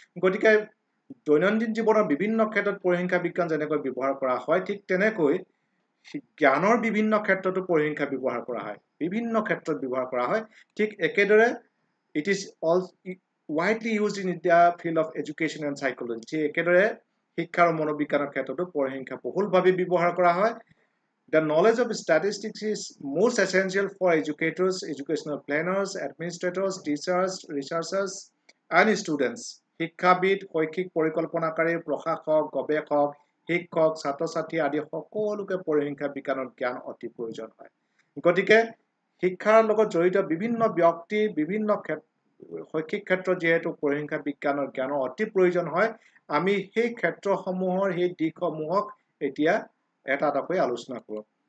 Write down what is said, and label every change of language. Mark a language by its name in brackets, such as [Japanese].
[Assamese] গতিকে দৈনন্দিন জীৱনৰ বিভিন্ন ক্ষেত্ৰত পৰিসংখ্যা বিজ্ঞান যেনেকৈ ব্যৱহাৰ কৰা হয়, ঠিক তেনেকৈ জ্ঞানৰ বিভিন্ন ক্ষেত্ৰতো পৰিসংখ্যা ব্যৱহাৰ কৰা হয়, বিভিন্ন ক্ষেত্ৰত ব্যৱহাৰ কৰা হয়। ঠিক একেদৰে [English] it is all widely use in the field of education and psychology, [Assamese] ঠিক একেদৰে শিক্ষা আৰু মনোবিজ্ঞানৰ ক্ষেত্ৰতো পৰিসংখ্যা বহুলভাৱে ব্যৱহাৰ কৰা হয়। [English] The knowledge of statistics is most essential for educators, educational planners, administrators, teachers, researchers, and students. [Assamese] শিক্ষাবিদ, শৈক্ষিক পৰিকল্পনাকাৰী, প্ৰশাসক, গৱেষক, শিক্ষক, ছাত্ৰ-ছাত্ৰী আদি সকলোকে পৰিসংখ্যা বিজ্ঞানৰ জ্ঞান অতি প্ৰয়োজন হয়। গতিকে শিক্ষাৰ লগত জড়িত বিভিন্ন ব্যক্তি, বিভিন্ন শৈক্ষিক ক্ষেত্ৰত যিহেতু পৰিসংখ্যা বিজ্ঞানৰ জ্ঞানৰ অতি প্ৰয়োজন হয়, আমি সেই ক্ষেত্ৰসমূহৰ সেই দিশসমূহক এতিয়া এটা এটাকৈ আলোচনা কৰোঁ।